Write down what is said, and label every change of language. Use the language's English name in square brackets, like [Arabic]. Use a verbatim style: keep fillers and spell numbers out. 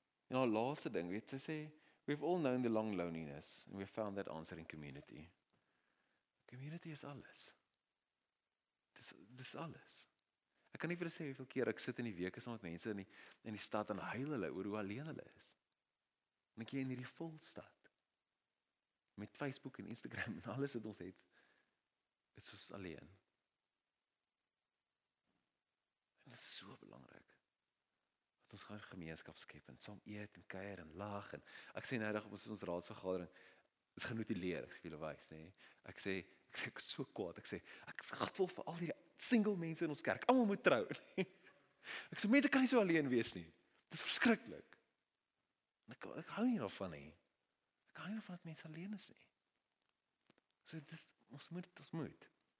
[Afrikaans] En haar laaste ding, weet sy sê, [English] we've all known the long loneliness and we've found that answer in community. [Afrikaans] Community is alles. Dis dis alles. Ek kan nie vir sê hoeveel keer ek sit in die week is met mense in die in die stad en huil hulle oor hoe alleen hulle is. En ek hier in hierdie vol stad met Facebook en Instagram en alles wat ons het, is ons alleen. En dit is so belangrik. Ons gaan gemeenskap skep en saam eet en kuier en lag en ek sê nou dag op ons ons raadsvergadering is genotuleer, ek sê vir julle wys nê. Ek sê ek sê ek is so kwaad, ek sê ek skat wil vir al die single mense in ons kerk, almal moet trou. Ek sê mense kan nie so alleen wees nie. Dit is verskriklik. En ek ek hou nie daarvan nie. Ek hou nie daarvan dat mense alleen is nie. So dit is ons moet ons moet.